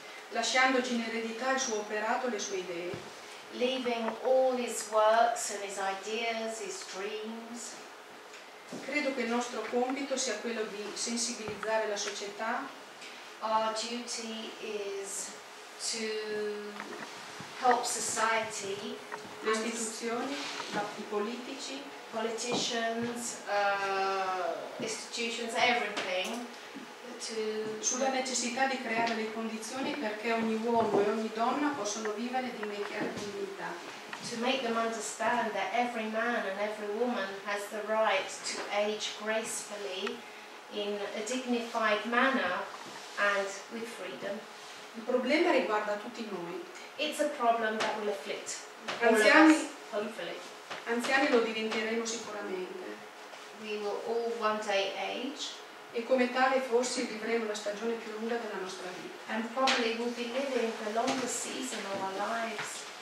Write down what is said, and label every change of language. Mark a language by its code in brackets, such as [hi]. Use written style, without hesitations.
[it] lasciandoci in eredità il suo operato e le sue idee. [en] Leaving all his works and his ideas, his dreams. [it] Credo che il nostro compito sia quello di sensibilizzare la società. [en] Our duty is to help society, [it] le istituzioni, i politici, [en] politicians, institutions, everything, [it] sulla necessità di creare le condizioni perché ogni uomo e ogni donna possano vivere di dignità. [en] To make them understand that every man and every woman has the right to age gracefully in a dignified manner and with freedom. [it] Il problema riguarda tutti noi. [en] It's a problem that will afflict [it] anziani, [en] all of us, hopefully. [it] Anziani lo diventeremo sicuramente. [en] We will all one day age. [it] E come tale forse vivremo la stagione più lunga della nostra vita. [en] And probably we'll be living the longest season of our lives.